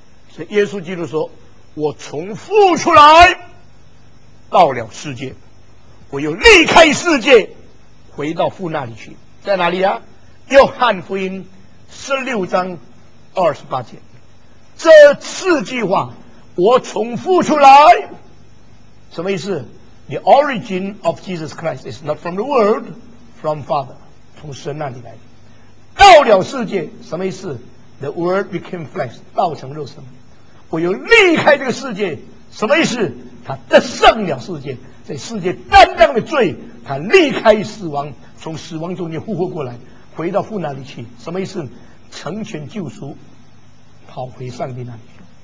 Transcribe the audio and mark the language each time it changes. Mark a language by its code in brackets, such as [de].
[zh] 所以耶稣基督说，我从父出来到了世界，我又离开世界回到父那里去。在哪里啊？约翰福音16章28节。这四句话，我从父出来，什么意思？ [en] The origin of Jesus Christ is not from the world, from Father, [zh] 从神那里来。到了世界，什么意思？ [en] The word became flesh, [zh] 道成肉身。我又离开这个世界，什么意思？他得胜了世界，在世界担当的罪，他离开死亡，从死亡中间复活过来，回到父那里去，什么意思？成全救赎，跑回上帝那里去。